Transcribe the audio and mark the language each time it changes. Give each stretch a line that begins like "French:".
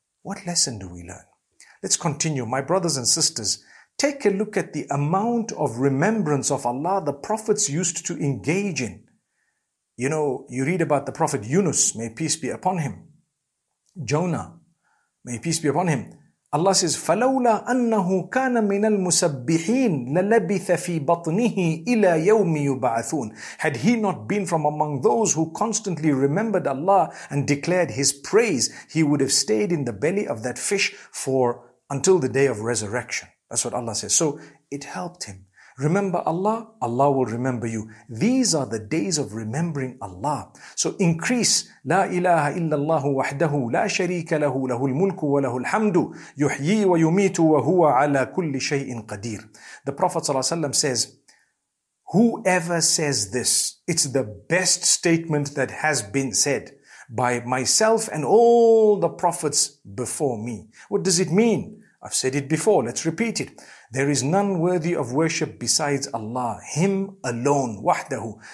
English: What lesson do we learn? Let's continue. My brothers and sisters, take a look at the amount of remembrance of Allah the prophets used to engage in. You know, you read about the Prophet Yunus, may peace be upon him. Jonah, may peace be upon him. Allah says,
Arabic: فَلَوْلَا أَنَّهُ كَانَ مِنَ الْمُسَبِّحِينَ لَلَبِثَ فِي بَطْنِهِ إِلَى يَوْمِ يُبَعَثُونَ.
English: Had he not been from among those who constantly remembered Allah and declared his praise, he would have stayed in the belly of that fish for until the day of resurrection. That's what Allah says. So it helped him. Remember Allah, Allah will remember you. These are the days of remembering Allah. So increase.
Arabic: لا إله إلا الله وحده لا شريك له له الملك وله الحمد يحيي ويميت وهو على كل شيء قدير.
English: The Prophet ﷺ says, whoever says this, it's the best statement that has been said by myself and all the prophets before me. What does it mean? I've said it before, let's repeat it. There is none worthy of worship besides Allah, Him alone, wahdahu.